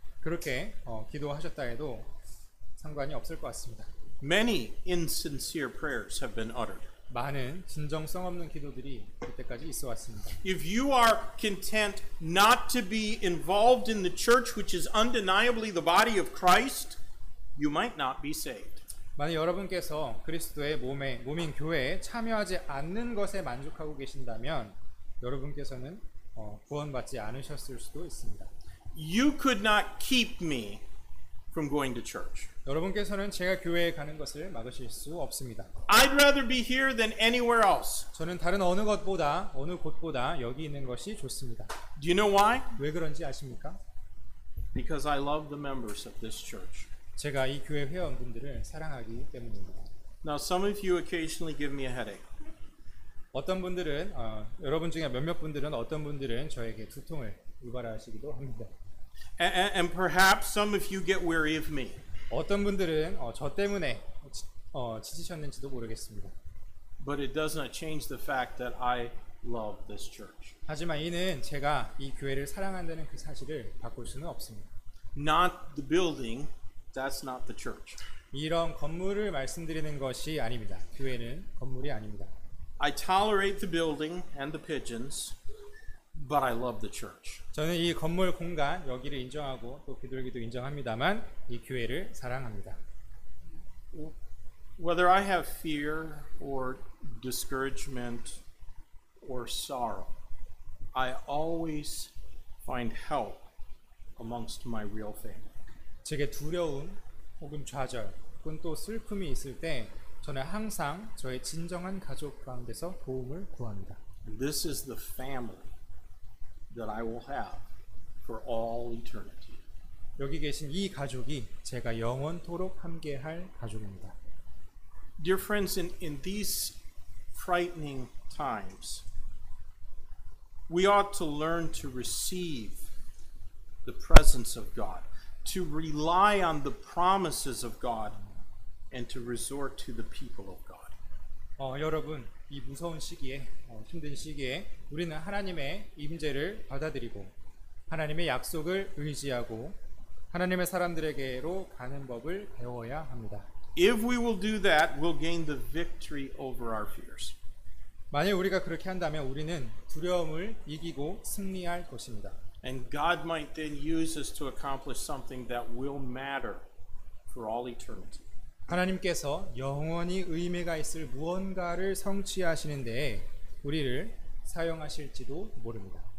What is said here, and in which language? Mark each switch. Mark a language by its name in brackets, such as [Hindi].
[Korean] 그렇게 기도하셨다 해도 상관이 없을 것 같습니다. [English] Many insincere prayers have been uttered. [Korean] 많은 진정성 없는 기도들이 그때까지 있어 왔습니다. [English] If you are content not to be involved in the church which is undeniably the body of Christ, you might not be saved. [Korean] 만약 여러분께서 그리스도의 몸에 몸인 교회에 참여하지 않는 것에 만족하고 계신다면 여러분께서는 구원받지 않으셨을 수도 있습니다. [English] You could not keep me from going to church. [Korean] 여러분께서는 제가 교회에 가는 것을 막으실 수 없습니다. [English] I'd rather be here than anywhere else. [Korean] 저는 다른 어느 것보다 어느 곳보다 여기 있는 것이 좋습니다. [English] Do you know why? [Korean] 왜 그런지 아십니까? [English] Because I love the members of this church. [Korean] 제가 이 교회 회원분들을 사랑하기 때문입니다. [English] Now some of you occasionally give me a headache. [Korean] 어떤 분들은 여러분 중에 몇몇 분들은 어떤 분들은 저에게 두통을 유발하시기도 합니다. [English] And perhaps some of you get weary of me. [Korean] 어떤 분들은 저 때문에 지치셨는지도 모르겠습니다. [English] But it does not change the fact that I love this church. [Korean] 하지만 이는 제가 이 교회를 사랑한다는 그 사실을 바꿀 수는 없습니다. [English] Not the building, that's not the church. [Korean] 이런 건물을 말씀드리는 것이 아닙니다. 교회는 건물이 아닙니다. [English] I tolerate the building and the pigeons, but I love the church. [Korean] 저는 이 건물 공간 여기를 인정하고 또 비둘기도 인정합니다만 이 교회를 사랑합니다. [English] Whether I have fear or discouragement or sorrow, I always find help amongst my real family. [Korean] 제게 두려움 혹은 좌절 혹은 또 슬픔이 있을 때 저는 항상 저의 진정한 가족 가운데서 도움을 구합니다. [English] This is the family that I will have for all eternity. [Korean] 여기 계신 이 가족이 제가 영원토록 함께할 가족입니다. [English] Dear friends, in these frightening times, we ought to learn to receive the presence of God, to rely on the promises of God, and to resort to the people of God. [Korean] 여러분, 이 무서운 시기에 힘든 시기에 우리는 하나님의 임재를 받아들이고 하나님의 약속을 의지하고 하나님의 사람들에게로 가는 법을 배워야 합니다. [English] If we will do that, we'll gain the victory over our fears. [Korean] 만약 우리가 그렇게 한다면 우리는 두려움을 이기고 승리할 것입니다. [English] And God might then use us to accomplish something that will matter for all eternity. [Korean] 하나님께서 영원히 의미가 있을 무언가를 성취하시는 데에 우리를 사용하실지도 모릅니다.